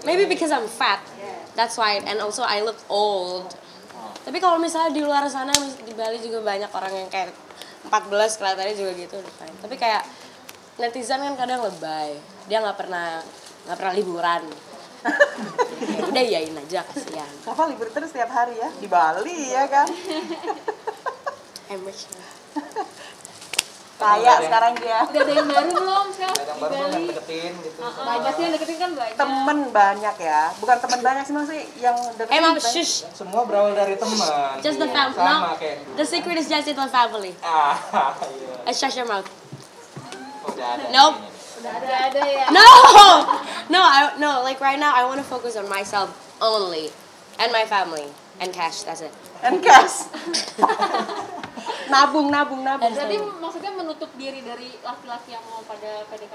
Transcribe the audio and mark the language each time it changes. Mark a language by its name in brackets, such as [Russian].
[English] Because I'm fat, that's why, and also I look old. [Indonesian] Tapi kalau misalnya di luar sana di Bali juga banyak orang yang kayak 14 kelihatannya juga gitu, tapi kayak netizen kan kadang lebay, dia nggak pernah liburan. Ya udah yain aja, kasihan. Kenapa libur terus setiap hari ya? Di Bali ya kan? [English] I'm rich. [Indonesian] Kaya sekarang dia. Udah ada yang baru belum, Chef? Ada yang baru, deketin gitu. Banyak sih yang deketin kan banyak. Temen banyak ya. Bukan temen banyak sih, maksudnya yang deketin. Emang, shush. Semua berawal dari teman. [English] Just the family. No, the secret is just in the family. [Indonesian] Ah, iya. [English] Shut your mouth. [Indonesian] Udah ada ya. [English] No! No, like right now I want to focus on myself only and my family and cash, that's it. And cash. [Indonesian] Nabung. Jadi maksudnya menutup diri dari laki-laki yang mau pada PDKT?